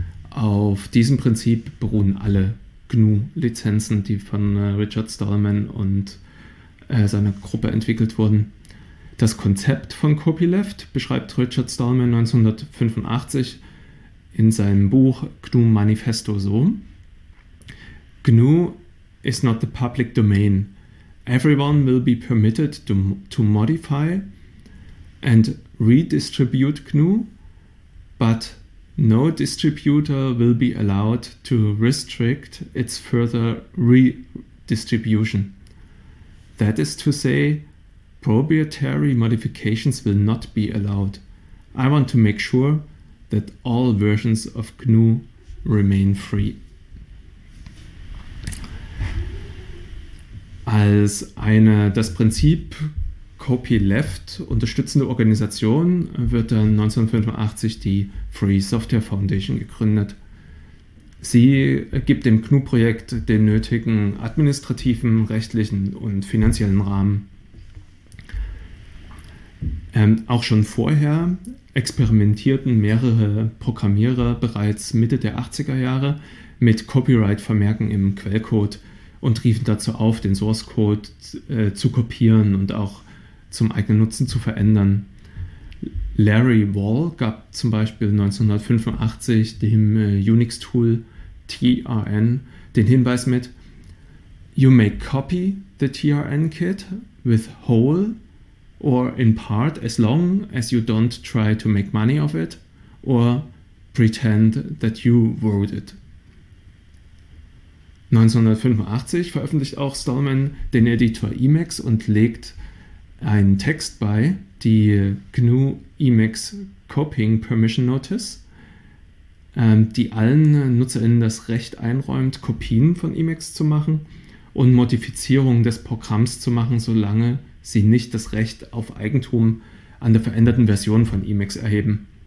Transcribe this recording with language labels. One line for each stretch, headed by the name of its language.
German: Auf diesem Prinzip beruhen alle GNU-Lizenzen, die von Richard Stallman und seiner Gruppe entwickelt wurden. Das Konzept von Copyleft beschreibt Richard Stallman 1985 in seinem Buch GNU Manifesto so:
English: GNU is not the public domain. Everyone will be permitted to modify and redistribute GNU, but no distributor will be allowed to restrict its further redistribution. That is to say, proprietary modifications will not be allowed. I want to make sure that all versions of GNU remain free.
German: Als eine das Prinzip Copyleft unterstützende Organisation wird dann 1985 die Free Software Foundation gegründet. Sie gibt dem GNU-Projekt den nötigen administrativen, rechtlichen und finanziellen Rahmen. Auch schon vorher experimentierten mehrere Programmierer bereits Mitte der 80er Jahre mit Copyright-Vermerken im Quellcode und riefen dazu auf, den Source-Code zu kopieren und auch zum eigenen Nutzen zu verändern.
English: Larry Wall
German: gab zum Beispiel 1985 dem Unix-Tool TRN den Hinweis mit:
English: You may copy the TRN kit with whole or in part as long as you don't try to make money of it or pretend that you wrote it.
German: 1985 veröffentlicht auch Stallman den Editor Emacs und legt einen Text bei, die GNU Emacs Copying Permission Notice, die allen NutzerInnen das Recht einräumt, Kopien von Emacs zu machen und Modifizierungen des Programms zu machen, solange sie nicht das Recht auf Eigentum an der veränderten Version von Emacs erheben.